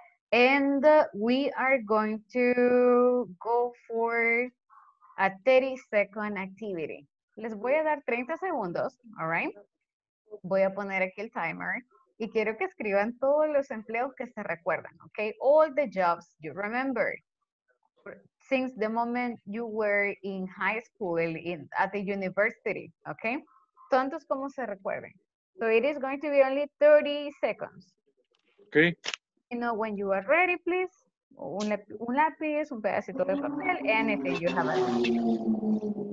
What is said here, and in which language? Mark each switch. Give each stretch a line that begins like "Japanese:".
English: And we are going to go for a 30-second activity.
Spanish: Les voy a dar 30 segundos,
English: all right?
Spanish: Voy a poner aquí el timer y quiero que escriban todos los empleos que se recuerdan, okay?
English: All the jobs you remember. Since the moment you were in high school, at the university, okay?
Spanish: Tantos como se recuerden.
English: So it is going to be only 30 seconds. Okay. You know, when you are ready, please.
Spanish: Un lápiz, un pedacito de papel,
English: anything you have.